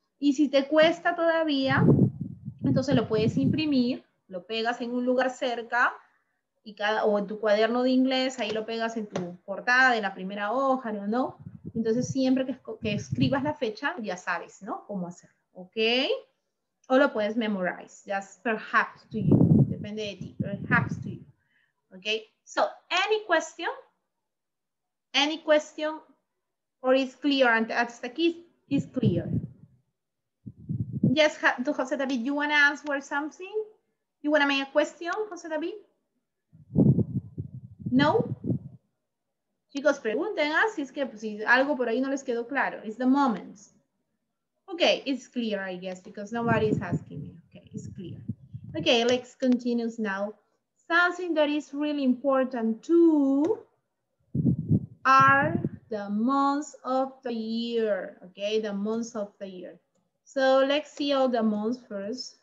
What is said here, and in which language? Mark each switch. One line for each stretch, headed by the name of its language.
Spanish: Y si te cuesta todavía, entonces lo puedes imprimir, lo pegas en un lugar cerca, y cada, o en tu cuaderno de inglés, ahí lo pegas en tu portada, en la primera hoja, ¿no? Entonces, siempre que escribas la fecha, ya sabes, ¿no? Cómo hacerlo, ¿ok? O lo puedes
English: memorize, just perhaps to you,
Spanish: depende de ti,
English: perhaps to you, ¿ok? So, any question, or is clear,
Spanish: hasta aquí,
English: is clear. Yes, José David, you want to answer something? You want to make a question, José David? No?
Spanish: Chicos, pregunten, ¿eh? Si es que pues, si algo por ahí no les quedó claro.
English: It's the moment. Okay, it's clear, I guess, because nobody is asking me. Okay, it's clear. Okay, let's continue now. Something that is really important too are the months of the year. Okay, the months of the year. So let's see all the months first.